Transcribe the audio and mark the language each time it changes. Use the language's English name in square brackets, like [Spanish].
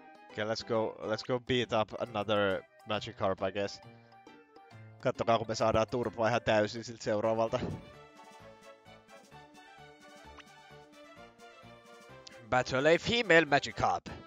[English] Okay, let's go beat up another Magikarp, I guess. [Finnish] Kattokaa, kun me saadaan turpaa ihan täysin siltä seuraavalta. [English] Battle a female Magikarp!